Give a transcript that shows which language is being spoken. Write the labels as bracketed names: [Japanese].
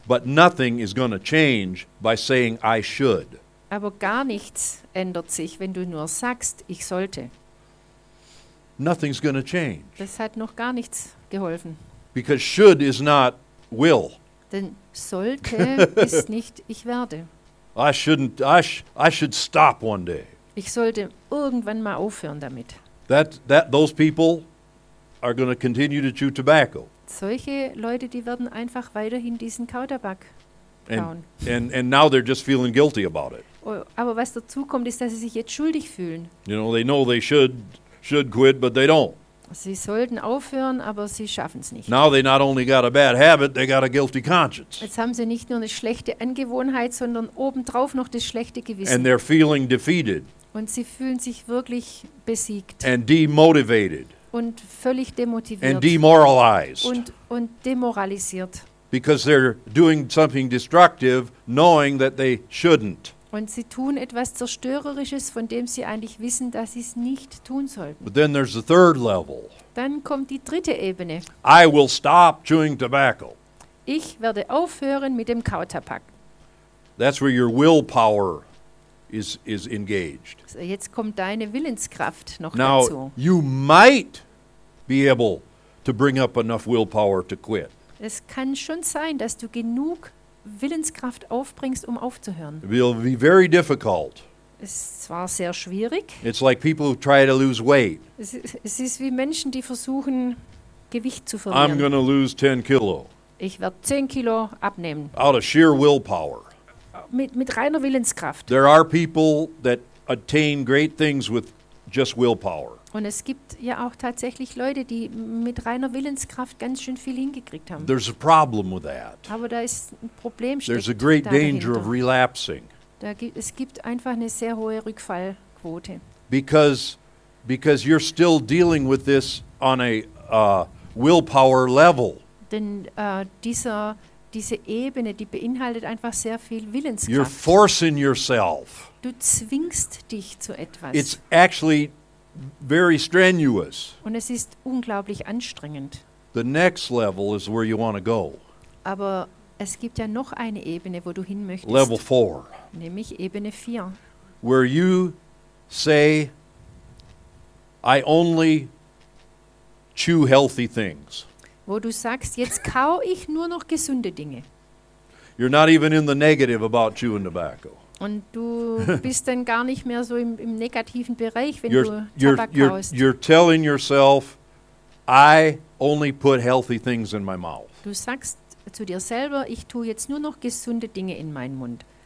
[English] But nothing is gonna change by saying I should. [German] Aber gar nichts ändert sich, wenn du nur sagst, ich sollte. [English] Nothing's gonna change. [German] Das hat noch gar nichts geholfen. [English] Because should is not will. [German] Denn sollte ist nicht ich werde. [English] I should stop one day. [German] Ich sollte irgendwann mal aufhören damit. [English] That those people are going to continue to chew tobacco. [German] Solche Leute, die werden einfach weiterhin diesen Kautabak kauen. [English] And now they're just feeling guilty about it. [German] Aber was dazu kommt, ist, dass sie sich jetzt schuldig fühlen. [English] You know they should quit, but they don't. [German] Sie sollten aufhören, aber sie schaffen es nicht. [English] Now they not only got a bad habit, they got a guilty conscience. [German] Jetzt haben sie nicht nur eine schlechte Angewohnheit, sondern obendrauf noch das schlechte Gewissen. [English] And they're feeling defeated. [German] Und sie fühlen sich wirklich besiegt. [English] And demotivated. [German] Und völlig demotiviert. [English] And demoralized. [German] Und demoralisiert. [English] Because they're doing something destructive, knowing that they shouldn't. [German] Und sie tun etwas Zerstörerisches, von dem sie eigentlich wissen, dass sie es nicht tun sollten. [English] But then there's the third level. [German] Dann kommt die dritte Ebene. [English] I will stop chewing tobacco. [German] Ich werde aufhören mit dem Kautabak. [English] That's where your willpower is engaged. [German] So jetzt kommt deine Willenskraft noch [English] now, [German] dazu. [English] Now you might be able to bring up enough willpower to quit. [German] Es kann schon sein, dass du genug Willenskraft aufbringst, um aufzuhören. [English] It will be very difficult. [German] Es war sehr schwierig. [English] It's like people who try to lose weight. [German] Es ist wie Menschen, die versuchen, Gewicht zu verlieren. [English] I'm going to lose 10 kilo. [German] Ich werde 10 Kilo abnehmen. [English] Out of sheer willpower. [German] Mit reiner Willenskraft. [English] There are people that attain great things with just willpower. [German] Und es gibt ja auch tatsächlich Leute, die mit reiner Willenskraft ganz schön viel hingekriegt haben. [English] There's a problem with that. [German] Aber da ist ein Problem. [English] There's a great danger of relapsing. [German] Es gibt einfach eine sehr hohe Rückfallquote. [English] Because you're still dealing with this on a willpower level. [German] Denn diese Ebene, die beinhaltet einfach sehr viel Willenskraft. [English] You're forcing yourself. [German] Du zwingst dich zu etwas. [English] It's actually very strenuous. [German] Und es ist unglaublich anstrengend. [English] The next level is where you want to go. [German] Aber es gibt ja noch eine Ebene, wo du hin möchtest. [English] Level 4. [German] Nämlich Ebene 4. [English] Where you say, I only chew healthy things. [German] Wo du sagst, jetzt kau ich nur noch gesunde Dinge. [English] You're not even in the negative about chewing tobacco. [German] Und du bist dann gar nicht mehr so im negativen Bereich, wenn du Tabak kaust. [English] You're telling yourself, I only put healthy things in my mouth. [German] Du sagst zu dir selber, ich tue jetzt nur noch gesunde Dinge in meinen Mund.